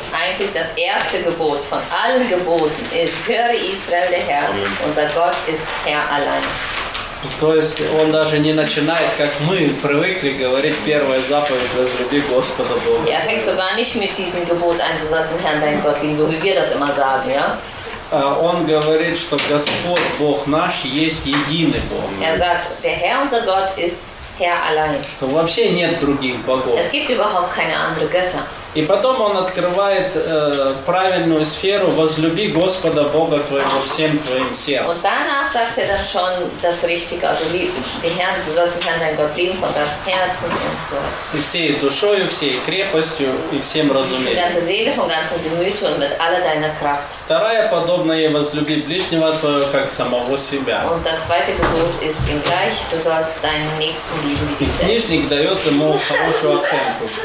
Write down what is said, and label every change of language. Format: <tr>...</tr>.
<de>Eigentlich das erste Gebot von allen Geboten ist, höre Israel, der Herr, unser Gott ist Herr allein.</de> <ru>То есть он даже не начинает, как мы привыкли говорить, первая заповедь «Возлюби Господа Бога». Я так</ru> <de>sogar nicht mit diesem Gebot ein, du sollst den Herrn deinen Gott lieben, so wie wir das immer sagen, ja?</de> <ru>Он говорит, что Господь Бог наш есть единый Бог.</ru> <de>Er sagt, der Herr unser Gott ist</de> <ru>что вообще нет других богов.</ru> <de>Es gibt überhaupt keine andere Götter.</de> <ru>И потом он открывает правильную сферу «Возлюби Господа Бога твоего всем твоим сердцем».</ru> <de>Und danach sagt dann schon das Richtige, also lieb den Herrn, du sollst den Herrn, dein Gott lieben von ganzem Herzen und so.</de> <ru>И всей душою, всей крепостью и всем разумением.</ru> <de>Mit ganzer Seele, von ganzem Gemüt und mit aller deiner Kraft.</de> <ru>Вторая подобная «Возлюби ближнего твоего, как самого себя».</ru> <de>Und das zweite Gebot ist ihm gleich, du sollst deinen Nächsten lieben wie dich.</de> <ru>Книжник дает ему хорошую оценку.</ru>